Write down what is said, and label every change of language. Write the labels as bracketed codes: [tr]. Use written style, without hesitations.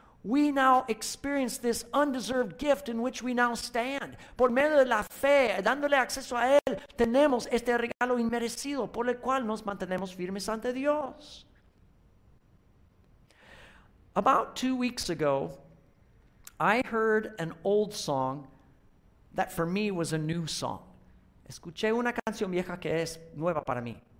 [en] We now experience this undeserved gift in which we now stand. [es] Por medio de la fe, dándole acceso a él, tenemos este regalo inmerecido por el cual nos mantenemos firmes ante Dios. [en] About 2 weeks ago, I heard an old song that for me was a new song. [es] Escuché una canción vieja que es nueva para mí.